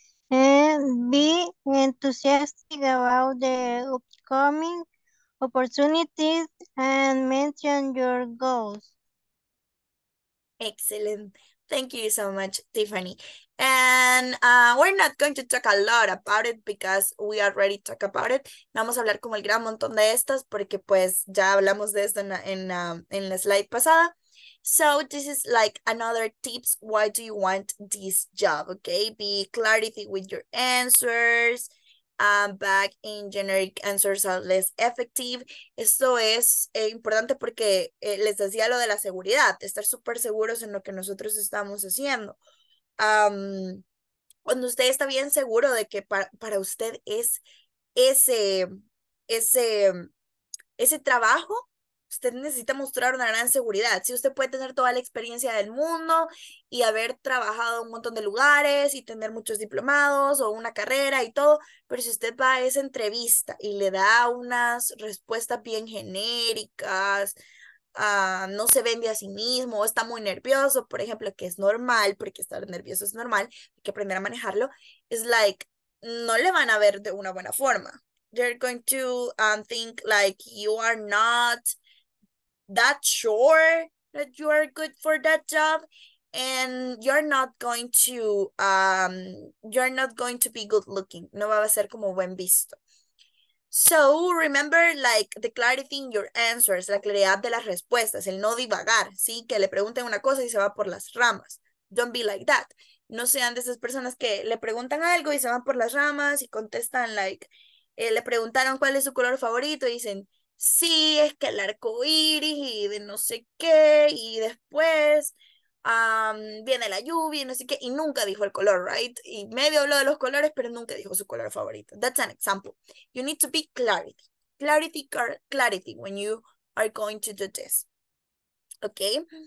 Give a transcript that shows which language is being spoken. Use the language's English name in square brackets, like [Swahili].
[English] Be enthusiastic about the upcoming opportunities and mention your goals. Excellent. Thank you so much, Tiffany. And we're not going to talk a lot about it because we already talked about it. [Spanish] Vamos a hablar como el gran montón de estas porque pues ya hablamos de esto en la slide pasada. [English] So this is like another tips. Why do you want this job? Okay, be clarity with your answers. back in generic answers are less effective. [Spanish] Esto es importante porque les decía lo de la seguridad, estar súper seguros en lo que nosotros estamos haciendo. Cuando usted está bien seguro de que para usted es ese trabajo, usted necesita mostrar una gran seguridad. Si usted puede tener toda la experiencia del mundo y haber trabajado en un montón de lugares y tener muchos diplomados o una carrera y todo, pero si usted va a esa entrevista y le da unas respuestas bien genéricas, no se vende a sí mismo, o está muy nervioso, por ejemplo, que es normal, porque estar nervioso es normal, hay que aprender a manejarlo, es like, no le van a ver de una buena forma. [English] They're going to think like you are not that sure that you are good for that job, and you're not going to be good looking. [Spanish] No va a ser como buen visto. [English] So remember, like, the clarity in your answers, [Spanish] la claridad de las respuestas, el no divagar, sí, que le pregunten una cosa y se va por las ramas. [English] Don't be like that. [Spanish] No sean de esas personas que le preguntan algo y se van por las ramas y contestan like, le preguntaron cuál es su color favorito y dicen, sí, es que el arco iris y de no sé qué, y después viene la lluvia y no sé qué, y nunca dijo el color, right? Y medio habló de los colores, pero nunca dijo su color favorito. [English] That's an example. You need to be clarity. Clarity when you are going to do this. Okay?